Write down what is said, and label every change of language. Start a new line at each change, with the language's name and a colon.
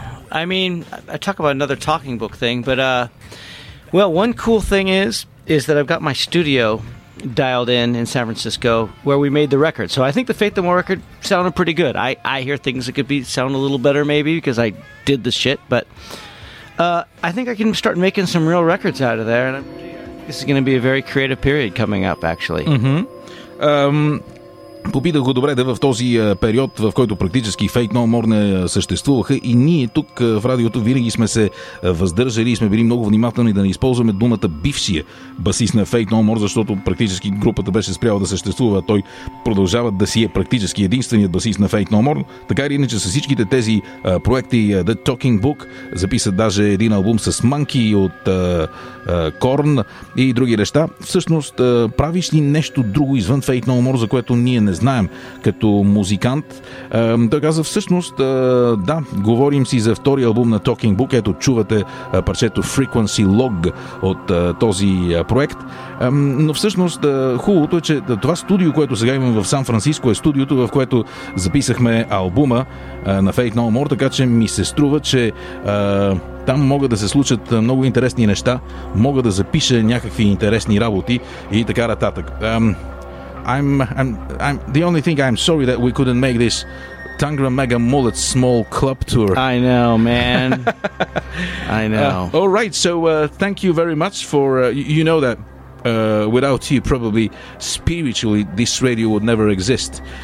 English: I mean, I talk about another Talking Book thing, but well, one cool thing is that I've got my studio dialed in San Francisco where we made the record. So I think the Faith No More record sounded pretty good. I hear things that could be sound a little better maybe because I did the shit, but I think I can start making some real records out of there, and this is going to be a very creative period coming up, actually. Mm-hmm.
Bulgarian: Попитах го добре, да, в този период, в който практически Faith No More не съществуваха, и ние тук в радиото винаги сме се въздържали и сме били много внимателни да не използваме думата бившия басист на Faith No More, защото практически групата беше спряла да съществува, а той продължава да си е практически единственият басист на Faith No More. Така или иначе, с всичките тези проекти, The Talking Book записа даже един албум с Monkey от Korn и други неща. Всъщност, правиш ли нещо друго извън Faith No More, за което ние не знаем като музикант? Той каза, всъщност, да, говорим си за втори албум на Talking Book. Ето, чувате парчето Frequency Log от този проект. Но всъщност, хубавото е, че това студио, което сега имам в Сан-Франциско, е студиото, в което записахме албума на Faith No More, така че ми се струва, че там могат да се случат много интересни неща, мога да запиша някакви интересни работи и така нататък.
English: I'm the only thing, I'm sorry that we couldn't make this Tangra Mega Mullet small club tour. I know, man. I know. All right, so thank you very much for you know that without you, probably spiritually, this radio would never exist.